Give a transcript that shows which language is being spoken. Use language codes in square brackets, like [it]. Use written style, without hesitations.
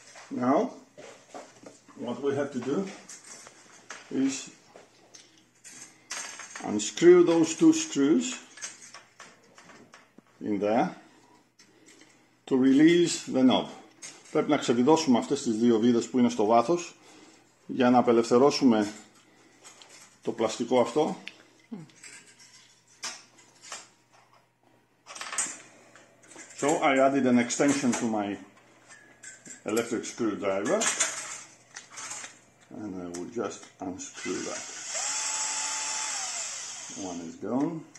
[en] Now, what we have to do is unscrew those two screws in there to release the knob. [el] Πρέπει να ξεβιδώσουμε αυτές τις δύο βίδες που είναι στο βάθος για να απελευθερώσουμε το πλαστικό αυτό. [en] So I added an extension to my electric screwdriver and I would just unscrew that. One is gone.